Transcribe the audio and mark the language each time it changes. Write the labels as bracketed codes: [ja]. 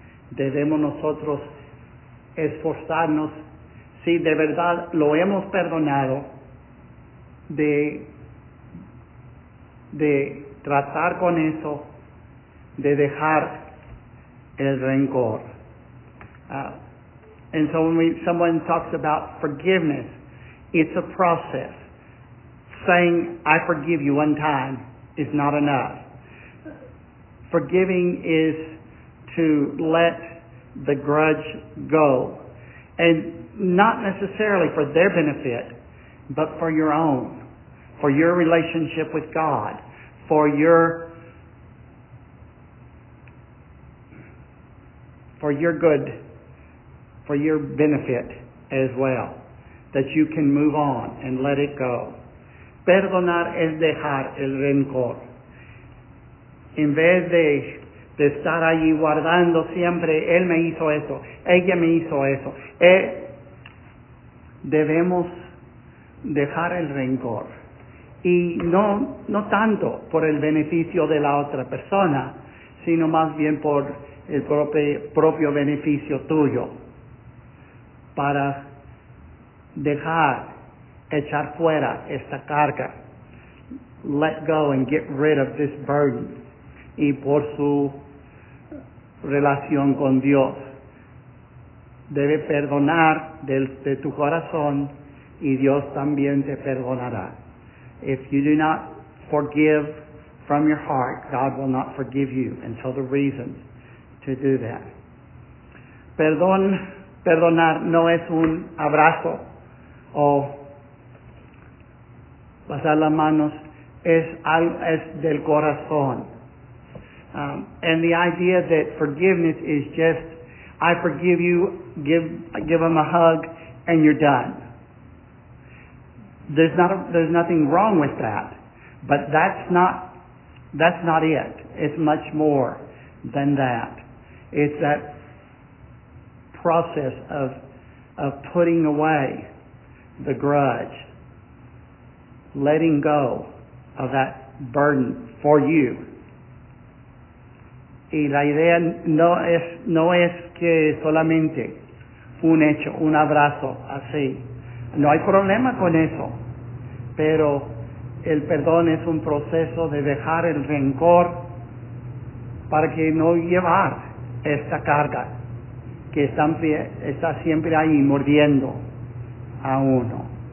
[es] Debemos nosotros esforzarnos, si de verdad lo hemos perdonado, de tratar con eso, de dejar el rencor. [en] And so when someone talks about forgiveness, it's a process. Saying, I forgive you one time is not enough. Forgiving is to let the grudge go. And not necessarily for their benefit, but for your own, for your relationship with God, for your good, for your benefit as well, that you can move on and let it go. [es] Perdonar es dejar el rencor. En vez de estar allí guardando siempre, él me hizo eso, ella me hizo eso. Debemos dejar el rencor. Y no tanto por el beneficio de la otra persona, sino más bien por el propio beneficio tuyo. Para dejar, echar fuera esta carga. [en] Let go and get rid of this burden. [es] Y por su relación con Dios. Debe perdonar de tu corazón y Dios también te perdonará. [en] If you do not forgive from your heart, God will not forgive you. And so the reason to do that. [es] Perdonar no es un abrazo o pasar las manos, es del corazón. [en] And the idea that forgiveness is just, I forgive you, give him a hug, and you're done. There's nothing wrong with that, but that's not it. It's much more than that. It's that process of putting away the grudge, letting go of that burden for you. [es] Y la idea no es que solamente un hecho, un abrazo, así. No hay problema con eso. Pero el perdón es un proceso de dejar el rencor para que no llevar esta carga que está siempre ahí mordiendo a uno.